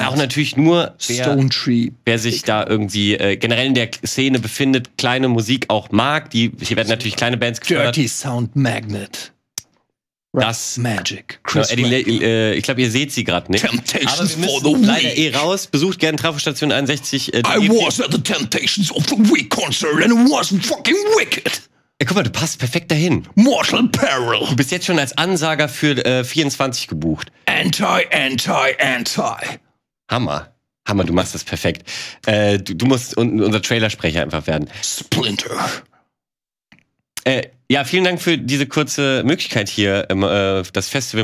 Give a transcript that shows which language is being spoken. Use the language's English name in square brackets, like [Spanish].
[German] Aber auch natürlich nur [English] Stone Tree. [German] Wer sich da irgendwie generell in der Szene befindet, kleine Musik auch mag. Hier werden natürlich kleine Bands gefördert. Dirty Sound Magnet. Das [English] Magic. [German] Chris genau, Eddie, ich glaube, ihr seht sie gerade nicht. [English] Temptations [German] for the Week. Leider eh raus. Besucht gerne Trafostation 61. [English] I was at the Temptations of the Week Concert and it was fucking wicked. [German] Ey, guck mal, du passt perfekt dahin. [English] Mortal Peril. [German] Du bist jetzt schon als Ansager für 24 gebucht. [English] Anti. [German] Hammer, du machst das perfekt. Du musst unser Trailersprecher einfach werden. [English] Splinter. [German] Ja, vielen Dank für diese kurze Möglichkeit hier, das Festival